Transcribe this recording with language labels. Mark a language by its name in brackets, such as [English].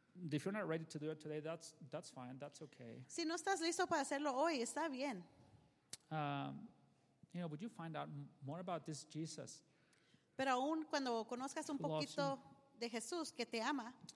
[English] If you're not ready to do it today, that's fine. That's okay. [Spanish] Si no estás listo para hacerlo hoy, está bien. [English] You know, would you find out more about this Jesus? [Spanish] Pero aún cuando conozcas un poquito de Jesús que te ama.